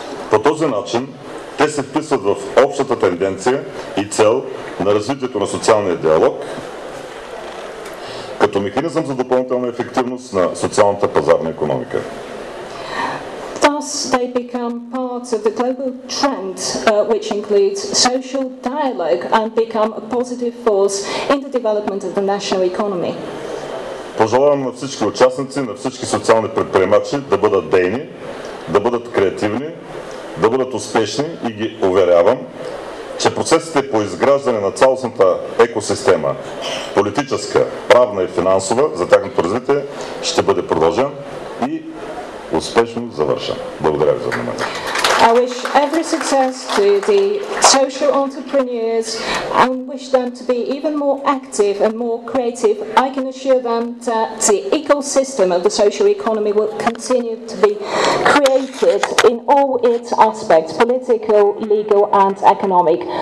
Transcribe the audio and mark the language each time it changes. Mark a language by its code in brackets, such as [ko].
[bg] По този начин, те се вписват в общата тенденция и цел на развитието на социалния диалог, като механизъм за допълнителна ефективност на социалната пазарна икономика. [en] Thus they become part of the global trend which includes social dialogue and become a positive force in the development of the national economy. [bg] Пожелавам на всички участници, на всички социални предприемачи да бъдат дейни, да бъдат креативни, да бъдат успешни и ги уверявам, че процесите по изграждане на цялостната екосистема, политическа, правна и финансова, за тяхното развитие, ще бъде продължен и успешно завършен. Благодаря ви за вниманието. [en] I wish every success to the social entrepreneurs and wish them to be even more active and more creative. I can assure them that the ecosystem of the social economy will continue to be created in all its aspects, political, legal and economic.